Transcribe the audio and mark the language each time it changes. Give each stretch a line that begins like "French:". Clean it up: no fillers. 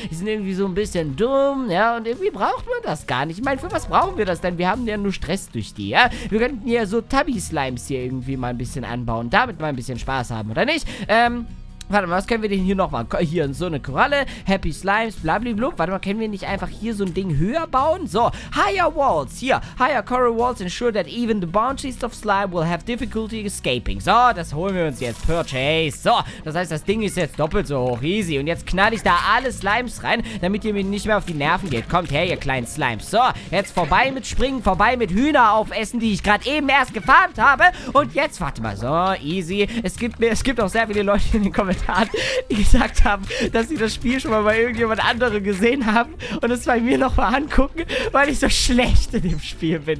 German: Die sind irgendwie so ein bisschen dumm, ja? Und irgendwie braucht man das gar nicht. Ich meine, für was brauchen wir das denn? Wir haben ja nur Stress durch die, ja? Wir könnten ja so Tabby-Slimes hier irgendwie mal ein bisschen anbauen. Damit mal ein bisschen Spaß haben, oder nicht? Warte mal, was können wir denn hier nochmal? Hier so eine Koralle, Happy Slimes, blablablub. Warte mal, können wir nicht einfach hier so ein Ding höher bauen?
English: So, higher walls, hier. Higher coral walls ensure that even the bounties of slime will have difficulty escaping.
German: So, das holen wir uns jetzt. Purchase. So, das heißt, das Ding ist jetzt doppelt so hoch. Easy. Und jetzt knall ich da alle Slimes rein, damit ihr mir nicht mehr auf die Nerven geht. Kommt her, ihr kleinen Slimes. So, jetzt vorbei mit Springen, vorbei mit Hühner aufessen, die ich gerade eben erst gefarmt habe. Und jetzt, warte mal, so, easy. Es gibt auch sehr viele Leute in den Kommentaren, die gesagt haben, dass sie das Spiel schon mal bei irgendjemand anderem gesehen haben und es bei mir nochmal angucken, weil ich so schlecht in dem Spiel bin.